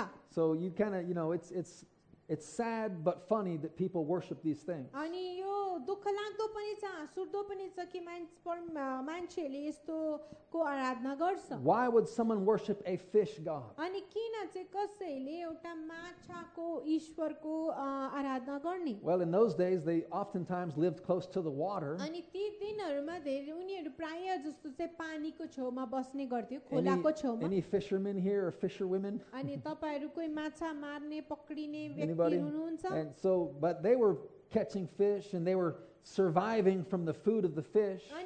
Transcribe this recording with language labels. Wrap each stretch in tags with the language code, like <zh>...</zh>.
<en>So you kind of, you know, it's sad but funny that people worship these things.</en> <ne>अनि यो दुःखलाग्दो पनि छ, सुर्दो पनि छ कि मान्छेले यस्तो को आराधना गर्छ.</ne> <en>Why would someone worship a fish god?</en> <ne>अनि किन चाहिँ कसैले एउटा माछाको ईश्वरको आराधना गर्ने?</ne> <en>Well, in those days they oftentimes lived close to the water.</en> <ne>अनि ती दिनहरूमा धेरै उनीहरू प्राय जस्तो चाहिँ पानीको छेउमा बस्ने गर्थ्यो, खोलाको छेउमा.</ne> <en>Any fishermen here or fisherwomen?</en> <ne>अनि तपाईहरू कोही माछा मार्ने पक्रिने</ne> <en>Anybody? And so, but they were catching fish and they were surviving from the food of the fish.</en>